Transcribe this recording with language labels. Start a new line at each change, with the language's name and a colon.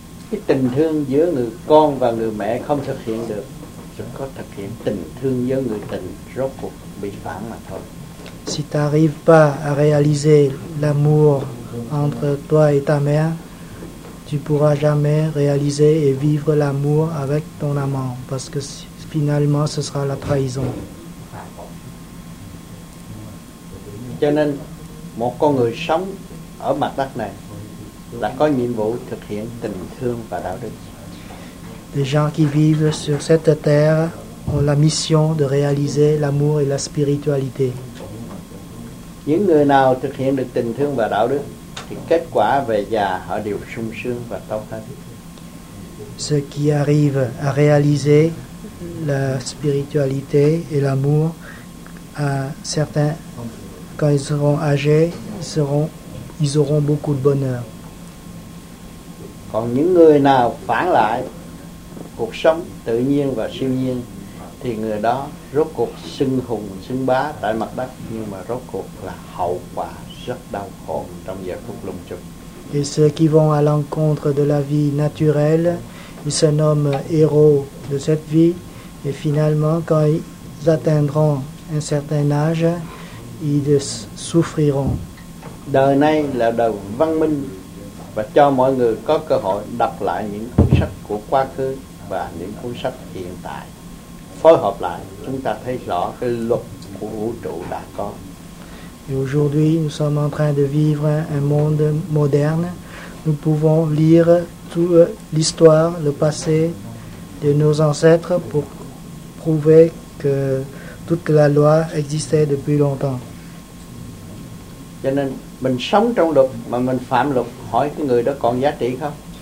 Vietnamese: Cái tình thương giữa người con và người mẹ không thực hiện được, chỉ có thực hiện tình thương giữa người tình rốt cuộc bị phản mà thôi.
French: Si tu n'arrives pas à réaliser l'amour entre toi et ta mère, tu pourras jamais réaliser et vivre l'amour avec ton amant, parce que finalement ce sera la trahison.
Vietnamese: Cho nên một con người sống ở mặt đất này là có nhiệm vụ thực hiện tình thương và đạo đức.
French: Les gens qui vivent sur cette terre ont la mission de réaliser l'amour et la spiritualité.
Vietnamese: Những người nào thực hiện được tình thương và đạo đức thì kết quả về già họ đều sung sướng và tốt hơn.
French: Ceux qui arrivent à réaliser la spiritualité et l'amour, à certains, quand ils seront âgés, ils auront beaucoup de bonheur.
Vietnamese: Còn những người nào phản lại cuộc sống tự nhiên và siêu nhiên thì người đó rốt cuộc xưng hùng xưng bá tại mặt đất, nhưng mà rốt cuộc là hậu quả rất đau khổ trong giờ phút lùng chục.
French: Et ceux qui vont à l'encontre de la vie naturelle, ils se nomment héros de cette vie, et finalement quand ils atteindront un certain âge, ils souffriront.
Vietnamese: Đời này là đời văn minh và cho mọi người có cơ hội đọc lại những cuốn sách của quá khứ và những cuốn sách hiện tại. Phối hợp lại, chúng ta thấy rõ cái luật của vũ trụ đã có.
French: Et aujourd'hui, nous sommes en train de vivre un monde moderne. Nous pouvons lire toute l'histoire, le passé de nos ancêtres pour prouver que toute la loi existait depuis longtemps.
Vietnamese: Cho nên mình sống trong luật mà mình phạm luật, hỏi cái người đó còn giá trị không?